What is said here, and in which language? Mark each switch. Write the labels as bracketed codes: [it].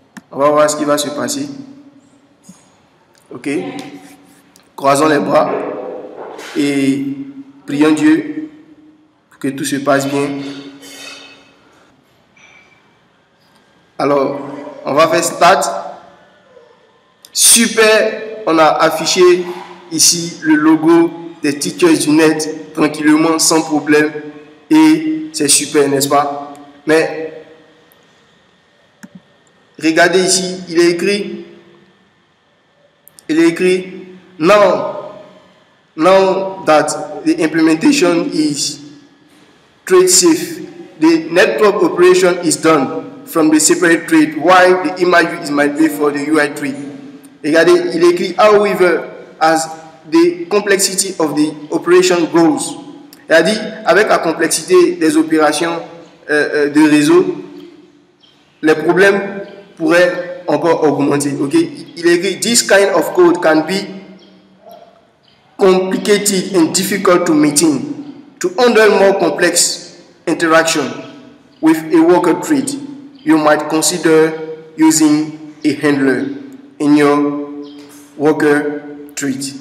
[fr] On va voir ce qui va se passer. Ok, croisons les bras et prions Dieu pour que tout se passe bien. Alors, on va faire start Super, on a affiché ici le logo des Teachers du Net tranquillement, sans problème. Et c'est super, n'est-ce pas? Mais regardez ici, il est écrit, [en] now that the implementation is trade safe, the network operation is done from the separate trade while the image is migrated for the UI trade. [fr] Regardez, il est écrit, [en] however, as the complexity of the operation grows. [fr] Il a dit, avec la complexité des opérations de réseau, les problèmes pourraient encore augmenter. Okay? Il a dit, [en] this kind of code can be complicated and difficult to maintain, to handle more complex interaction with a worker thread. You might consider using a handler in your worker thread.